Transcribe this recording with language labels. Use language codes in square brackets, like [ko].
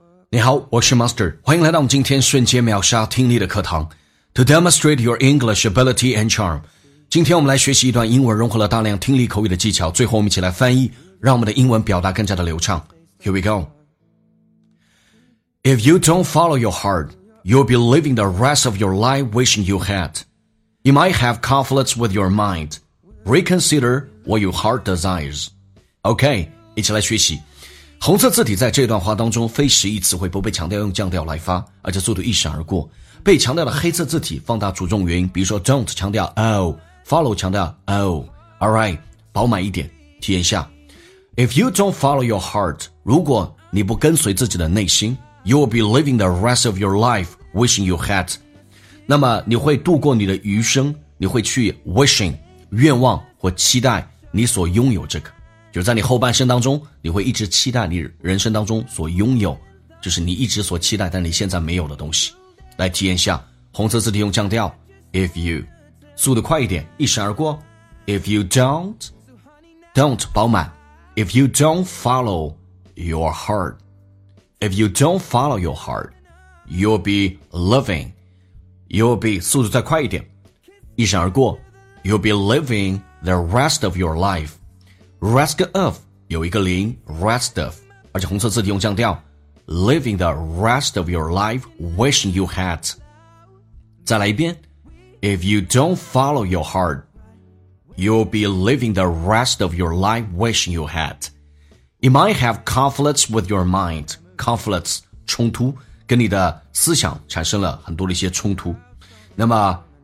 [zh] 你好，我是 Master， 欢迎来到我们今天瞬间秒杀听力的课堂。 [en] To demonstrate your English ability and charm， [zh] 今天我们来学习一段英文，融合了大量听力口语的技巧。最后我们一起来翻译，让我们的英文表达更加的流畅。 [en] Here we go. If you don't follow your heart, you'll be living the rest of your life wishing you had. You might have conflicts with your mind. Reconsider what your heart desires. Okay, [zh] 一起来学习。红色字体在这段话当中非时宜词汇不被强调用降调来发，而且速度一闪而过。被强调的黑色字体放大主重元音，比如说 don't 强调 oh,follow 强调 oh,alright, 饱满一点，体验一下。 [en] If you don't follow your heart, [zh] 如果你不跟随自己的内心， [en] you will be living the rest of your life wishing you had. [zh] 那么你会度过你的余生，你会去 wishing, 愿望或期待你所拥有这个。就是在你后半生当中，你会一直期待你人生当中所拥有，就是你一直所期待但你现在没有的东西。来体验一下红色字体用降调 [en] If you [zh] 速度快一点，一闪而过。 [en] If you don't [zh] 饱满。 [en] If you don't follow your heart, If you don't follow your heart, You'll be living, You'll be [zh] 速度再快一点，一闪而过。 [en] You'll be living the rest of your lifeRest of [zh] 有一个零 [en] Rest of [zh] 而且红色字体用降调 [en] Living the rest of your life wishing you had [zh] 再来一遍 [en] If you don't follow your heart You'll be living the rest of your life wishing you had You might have conflicts with your mind Conflicts [zh] 冲突跟你的思想产生了很多的一些冲突那么